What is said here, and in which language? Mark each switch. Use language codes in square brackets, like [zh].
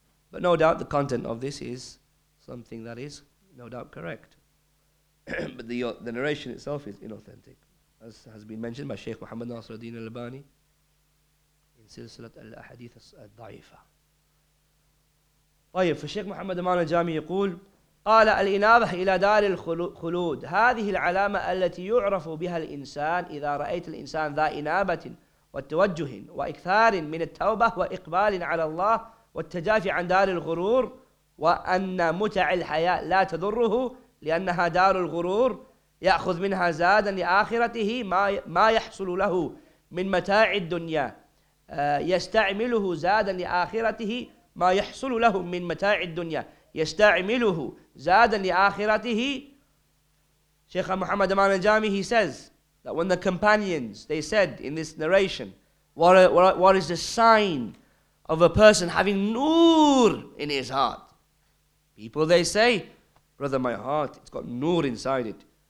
[en] But no doubt the content of this is something that is no doubt correct. But the narration itself is inauthentic, as has been mentioned by Sheikh Muhammad Nasiruddin al-Albani in Silsilat al-Ahadith al-Da'ifa. [ar] طيب فالشيخ محمد أمان الجامي يقول قال الإنابة إلى دار الخلود هذه العلامة التي يعرف بها الإنسان إذا رأيت الإنسان ذا إنابة والتوجه وإكثار من التوبة وإقبال على الله والتجافي عن دار الغرور وأن متع الحياة لا تضره لأنها دار الغرور يأخذ منها زادا لآخرته ما يحصل له من متاع الدنيا يستعمله زادا لآخرته ما يحصل له من متاع الدنيا يستعمله زادا لآخرته. [en] Sheikh Muhammad Aman al-Jami, he says that when the companions, they said in this narration, what is the sign of a person having nur in his heart? People, they say, brother, my heart, it's got nur inside it.